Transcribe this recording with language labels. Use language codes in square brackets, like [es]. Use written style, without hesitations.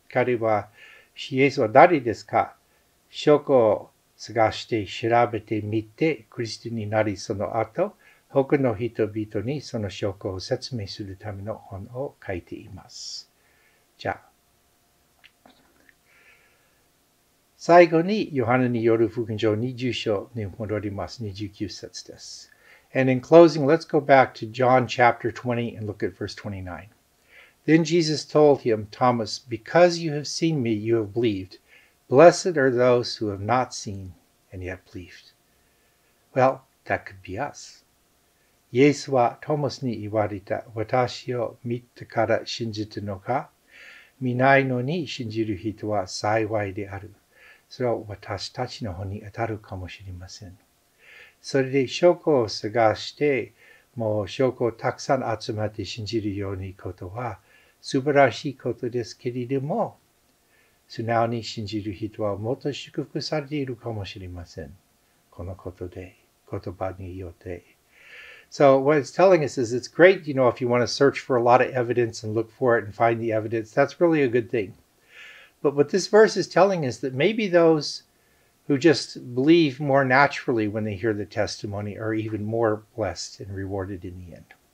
[ja] 彼は、イエスは誰ですか？証拠を探して調べてみて、クリスチャンになり、その後、他の人々にその証拠を説明するための本を書いています。じゃあ、最後に、ヨハネによる福音書20章に戻ります。 29節です。 [en] And in closing, let's go back to John chapter 20 and look at verse 29. Then Jesus told him, Thomas, because you have seen me, you have believed. Blessed are those who have not seen and yet believed. Well, that could be us. [ja] イエスはトモスに言われた、私を見たから信じたのか？見ないのに信じる人は幸いである。それは私たちの方に当たるかもしれません。それで証拠を探して、もう証拠をたくさん集まって信じるようにことは素晴らしいことですけれども、素直に信じる人はもっと祝福されているかもしれません。このことで、言葉によって。 [en] So what it's telling us is it's great, you know, if you want to search for a lot of evidence and look for it and find the evidence, that's really a good thing. But what this verse is telling is that maybe those who just believe more naturally when they hear the testimony are even more blessed and rewarded in the end.